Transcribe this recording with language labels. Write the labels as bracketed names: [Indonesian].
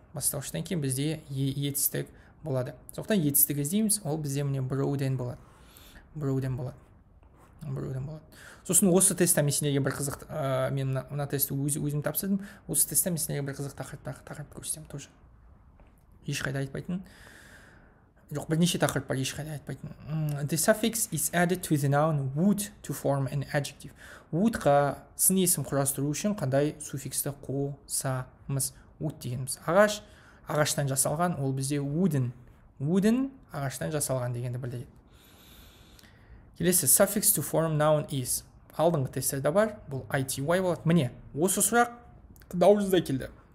[Kazakh] Бастауштан кейін бізде етістік болады. Сондықтан етістік іздейміз, ол бізде міне броуден болады. Броуден болады. Броуден болады. Сосын осы тестте мен сіздерге бір қызық, мен мына тестті өзім тапсырдым. Осы тестте мен сіздерге бір қызық тақырып көрсетем тоже. Ешқайда айтпайтын. Жоқ, бірнеше тақырып бар, ешқайда айтпайтын. [English] The suffix is added to the noun would to form an adjective. [Kazakh] Would-қа сын есім құрастыру үшін қандай суффиксті қосамыз. Would дегеніміз. Ағаш, ағаштан жасалған, ол бізде wooden. Wooden, ағаштан жасалған дегенді білдіреді. [English] Келесі, suffix to form noun is. [Kazakh] Алдыңғы тестерде бар, бұл ity болады. Міне, осы сұрақ наурызда келді.